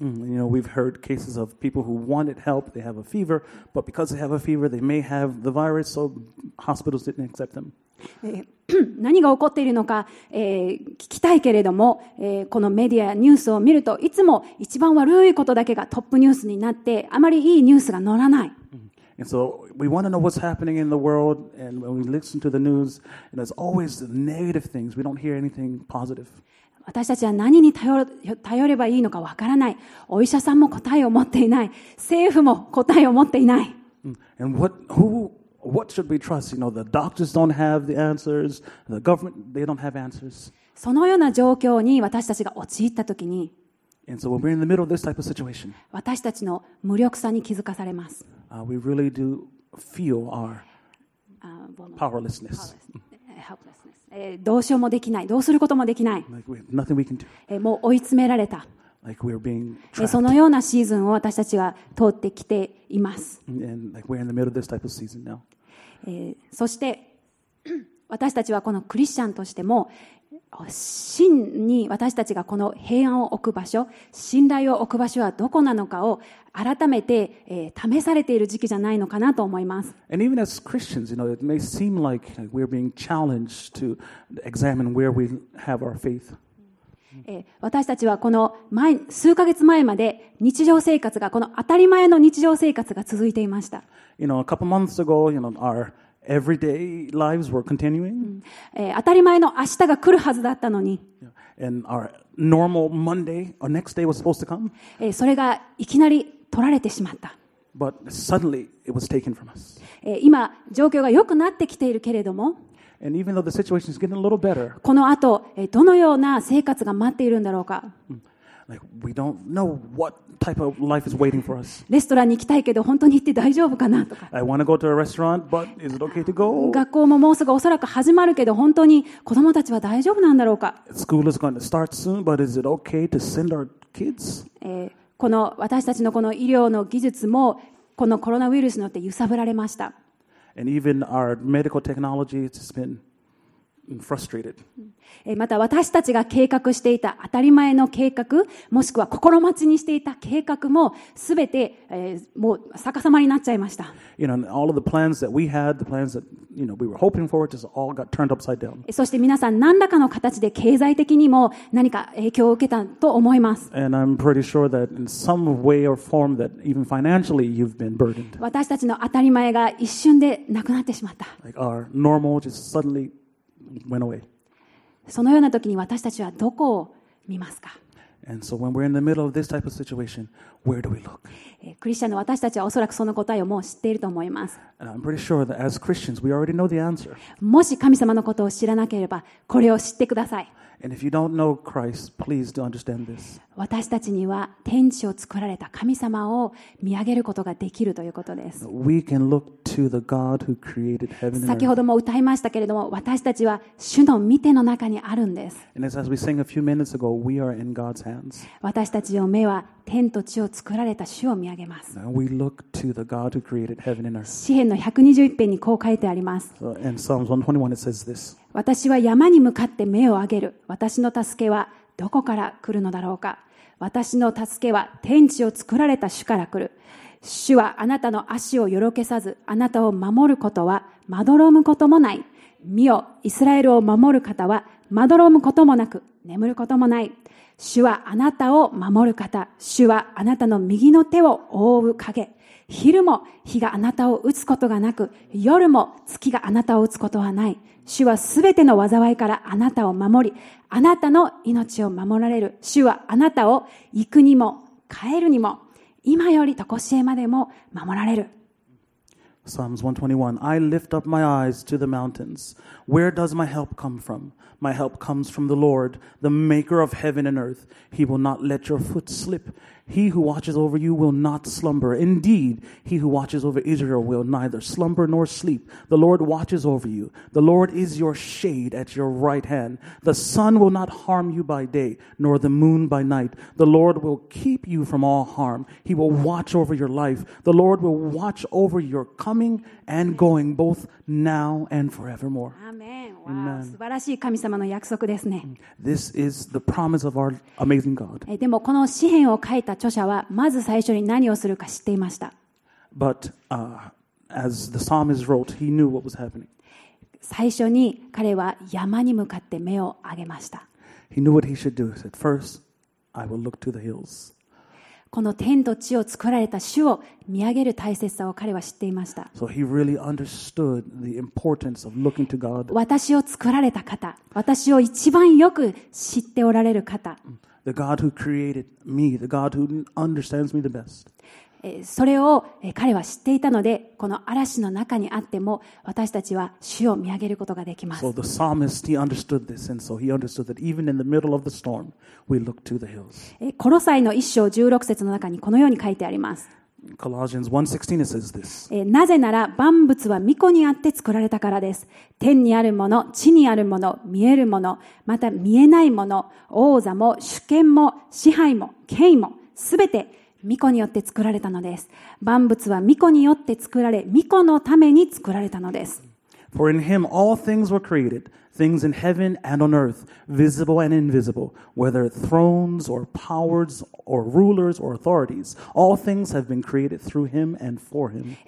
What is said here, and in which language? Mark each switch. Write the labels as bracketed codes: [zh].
[en] You know, we've heard cases of people who wanted help, they have a fever, but because they have a fever, they may have the virus, so hospitals didn't accept them. [ja] 何が起こっているのか、聞きたいけれども、このメディアニュースを見るといつも一番悪いことだけがトップニュースになってあまりいいニュースが載らない。 [en] And so we want to know what's happening in the world, and when we listen to the news, there's always negative things. We don't hear anything positive. [ja] 私たちは何に頼ればいいのかわからない。お医者さんも答えを持っていない。政府も答えを持っていない。 [en] And what should we trust? You know, the doctors don't have the answers. The government, they don't have answers. [ja] そのような状況に私たちが陥ったときに、 [en] And so when we're in the middle of this type of situation, [ja] 私たちの無力さに気づかされます。 [en] We really do feel our powerlessness. helplessness. [ja] どうしようもできない。どうすることもできない。 [en] Like、we have nothing we can do. [ja] もう追い詰められた。 [en] Like、we are being trapped. [ja] そのようなシーズンを私たちは通ってきています。 [en] And like、we're in the middle of this type of season now. [ja] そして私たちはこのクリスチャンとしても真に私たちがこの平安を置く場所、信頼を置く場所はどこなのかを改めて、試されている時期じゃないのかなと思います。 [en] And even as Christians, you know, it may seem like we're being challenged to examine where we have our faith. [ja] 私たちはこの前数ヶ月前まで日常生活がこの当たり前の日常生活が続いていました。 [en] You know, a couple months ago, you know, our everyday lives were continuing. [ja] 当たり前の明日が来るはずだったのに。 [en] And our normal Monday, our next day was supposed to come. [ja] それがいきなり取られてしまった。 [en] But suddenly it was taken from us. [ja] 今状況が良くなってきているけれども。 [en] And even though the situation is getting a little better. [ja] この後どのような生活が待っているんだろうか。 [en] Like we don't know what type of life is waiting for us. [ja] レストランに行きたいけど本当に行って大丈夫かなとか。 [en] I want to go to a restaurant, but is it okay to go? [ja] 学校ももうすぐおそらく始まるけど本当に子供たちは大丈夫なんだろうか。 [en] School is going to start soon, but is it okay to send our kids? [ja] この私たちのこの医療の技術もこのコロナウイルスによって揺さぶられました。 [en] And even our medical technology has been. Frustrated. [ja] また私たちが計画していた当たり前の計画もしくは心待ちにしていた計画もすべて、もう逆さまになっちゃいました。 [en] You know, all of the plans that we had, the plans that you know, we were hoping for, just all got turned upside down. [ja] そして皆さん何らかの形で経済的にも何か影響を受けたと思います。 [en] And I'm pretty sure that in some way or form that even financially you've been burdened. [ja] 私たちの当たり前が一瞬でなくなってしまった。 [en] Like our normal just suddenly. Went away. [ja] そのような時に私たちはどこを見ますか。 [en] And so when we're in the middle of this type of situation, where do we look? [ja] クリスチャンの私たちはおそらくその答えをもう知っていると思います。 [en] And I'm pretty sure that as Christians, we already know the answer. [ja] もし神様のことを知らなければ、これを知ってください。 [en] And if you don't know Christ, please do understand this. [ja] 私たちには天地を作られた神様を見上げることができるということです。 [en] We can look to the God who created heaven and earth. [ja] 先ほども歌いましたけれども、私たちは主の御手の中にあるんです。 [en] And as we sang a few minutes ago, we are in God's hands. [ja] 私たちの目は天と地を作られた主を見上げます。 [en] We look to the God who created heaven and earth. [ja] 詩編の121編にこう書いてあります。 [en] And Psalms 121 it says this. [ja] 私は山に向かって目を上げる。私の助けはどこから来るのだろうか。私の助けは天地を作られた主から来る。主はあなたの足をよろけさず、あなたを守ることはまどろむこともない。見よ、イスラエルを守る方はまどろむこともなく、眠ることもない。主はあなたを守る方。主はあなたの右の手を覆う影。昼も日があなたを打つことがなく、夜も月があなたを打つことはない。主はすべての災いからあなたを守り、あなたの命を守られる。主はあなたを行くにも帰るにも、今よりとこしえまでも守られる。 [en] Psalms 121. I lift up my eyes to the mountains. Where does my help come from? My help comes from the Lord, the maker of heaven and earth. He will not let your foot slip. He who watches over you will not slumber. Indeed, he who watches over Israel will neither slumber nor sleep. The Lord watches over you. The Lord is your shade at your right hand. The sun will not harm you by day, nor the moon by night. The Lord will keep you from all harm. He will watch over your life. The Lord will watch over your coming and going, both now and forevermore. Amen. Wow. Amen. [ja] 素晴らしい神様の約束ですね。 [en] This is the promise of our amazing God. [ja] でもこの詩編を書いた著者はまず最初に何をするか知っていました。 [en] But, as the psalmist wrote, he knew what was happening. [ja] 最初に彼は山に向かって目を上げました。 [en] He knew what he should do. He said, First, I will look to the hills. [ja] この天と地を作られた主を見上げる大切さを彼は知っていました。 [en] So he really understood the importance of looking to God. [ja] 私を作られた方、私を一番よく知っておられる方。 [en] The God who created me, the God who understands me the best. [ja] それを彼は知っていたので、この嵐の中にあっても私たちは主を見上げることができます。 [en] So the psalmist, he understood this, and so he understood that even in the middle of the storm, we look to the hills. [ja] コロサイの1章16節の中にこのように書いてあります。 [en] Colossians 1:16 it says this. [ja] なぜなら万物は御子にあって作られたからです。天にあるもの、地にあるもの、見えるもの、また見えないもの、王座も主権も支配も権威もすべて御子によって作られたのです。万物は御子によって作られ、御子のために作られたのです。 [en] For in him all things were created, things in heaven and on earth, visible and invisible, whether thrones or powers or rulers or authorities, all things have been created through him and for him.